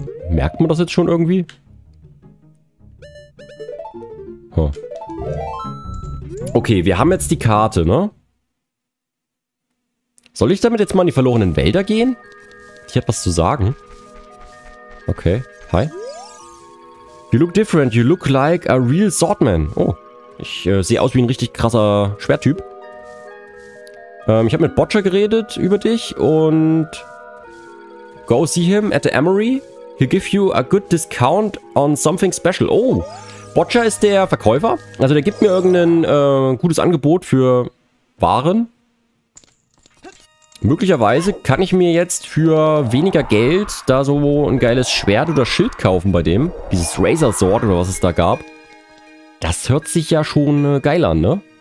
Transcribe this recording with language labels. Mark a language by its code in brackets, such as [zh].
[de] Merkt man das jetzt schon irgendwie? Huh. Okay, wir haben jetzt die Karte, ne? Soll ich damit jetzt mal in die verlorenen Wälder gehen? Ich hätte was zu sagen. Okay, hi. [en] You look different, you look like a real Swordman. [de] Oh, ich sehe aus wie ein richtig krasser Schwerttyp. Ich habe mit Botcher geredet über dich und... [en] Go see him at the Emery. He'll give you a good discount on something special. [de] Oh, Botcher ist der Verkäufer. Also der gibt mir irgendein gutes Angebot für Waren. Möglicherweise kann ich mir jetzt für weniger Geld da so ein geiles Schwert oder Schild kaufen bei dem. Dieses Razor Sword oder was es da gab. Das hört sich ja schon geil an, ne?